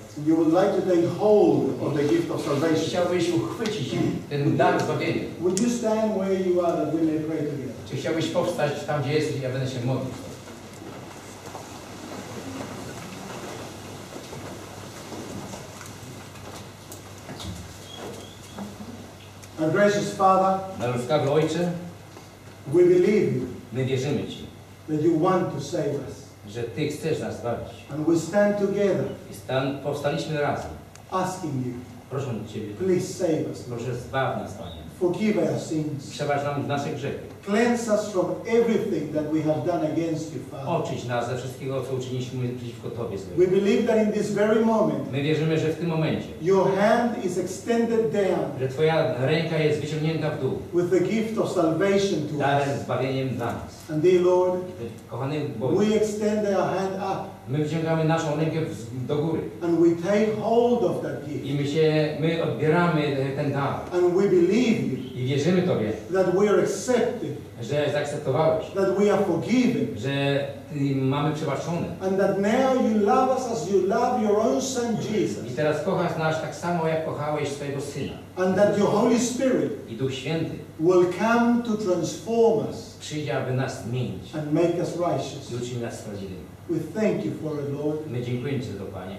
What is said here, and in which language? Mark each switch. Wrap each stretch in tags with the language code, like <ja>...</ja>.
<en>you would like to take hold of the gift of salvation.</en> <pl>Chciałbyś uchwycić ten dar zbawienia.</pl> <en>Would you stand where you are that we may pray together?</en> <pl>Czy chciałbyś powstać tam, gdzie jesteś, ja będę się modlił.</pl> <en>Our gracious Father,</en> <pl>na łaskawy Ojcze,</pl> <en>we believe,</en> <pl>my wierzymy Ci,</pl> <en>that you want to save us,</en> <pl>że Ty chcesz nas zbawić.</pl> <en>And we stand together,</en> <pl>i powstaliśmy razem,</pl> <en>asking you,</en> <pl>proszę Ciebie,</pl> <en>please save us,</en> <pl>proszę zbaw nas, Panie,</pl> <en>forgive our sins,</en> <pl>przebacz nam nasze grzechy,</pl> <en>cleanse us from everything that we have done against you, Father,</en> <pl>oczyść nas ze wszystkiego, co uczyniliśmy przeciwko Tobie.</pl> <en>We believe that in this very moment,</en> <pl>my wierzymy, że w tym momencie,</pl> <en>your hand is extended down,</en> <pl>że Twoja ręka jest wyciągnięta w dół,</pl> <en>with the gift of salvation to us,</en> <pl>darem zbawieniem dla nas.</pl> <en>And dear Lord,</en> <pl>kochany Boże,</pl> <en>we extend our hand up,</en> <pl>my wyciągamy naszą rękę do góry,</pl> <en>and we take hold of that gift,</en> <pl>i my odbieramy ten dar,</pl> <en>and we believe you,</en> <pl>i wierzymy Tobie,</pl> <en>that we are accepted,</en> <pl>że zaakceptowałeś,</pl> <en>that we are forgiven,</en> <pl>że Ty mamy przebaczone,</pl> <en>and that now you love us as you love your own son Jesus,</en> <pl>i teraz kochasz nas tak samo, jak kochałeś swojego Syna,</pl> <en>and that your Holy Spirit,</en> <pl>i Duch Święty,</pl> <en>will come to transform us,</en> <pl>przyjdzie, aby nas zmienić,</pl> <en>and make us righteous,</en> <pl>i uczyni nas sprawiedliwymi.</pl> <en>We thank you for it, Lord.</en> <pl>My dziękujemy Ci za to, Panie.</pl>